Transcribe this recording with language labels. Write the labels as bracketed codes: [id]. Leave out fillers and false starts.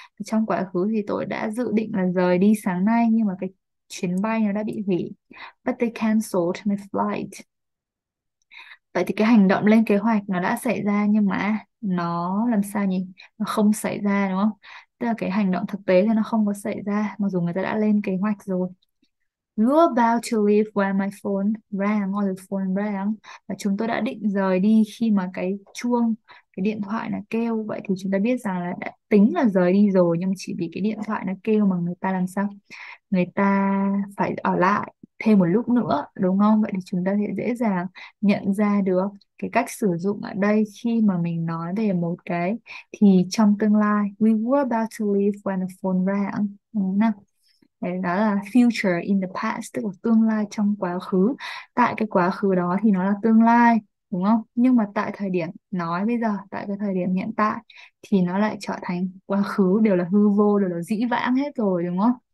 [vi] Trong quá khứ thì tôi đã dự định là rời đi sáng nay nhưng mà cái chuyến bay nó đã bị hủy. [en] But they canceled my flight. [vi] Vậy thì cái hành động lên kế hoạch nó đã xảy ra nhưng mà nó làm sao nhỉ? Nó không xảy ra, đúng không? Tức là cái hành động thực tế là nó không có xảy ra mặc dù người ta đã lên kế hoạch rồi. [en] You're about to leave when my phone rang, or the phone rang. [vi] Và chúng tôi đã định rời đi khi mà cái chuông, cái điện thoại là kêu. Vậy thì chúng ta biết rằng là đã tính là rời đi rồi nhưng chỉ vì cái điện thoại nó kêu mà người ta làm sao? Người ta phải ở lại thêm một lúc nữa, đúng không? Vậy thì chúng ta sẽ dễ dàng nhận ra được cái cách sử dụng ở đây khi mà mình nói về một cái thì trong tương lai. [en] We were about to leave when the phone rang. [vi] Đúng không nào? Đấy, đó là [en] future in the past, [vi] tức là tương lai trong quá khứ. Tại cái quá khứ đó thì nó là tương lai, đúng không? Nhưng mà tại thời điểm nói bây giờ, tại cái thời điểm hiện tại thì nó lại trở thành quá khứ, đều là hư vô, đều là dĩ vãng hết rồi, đúng không?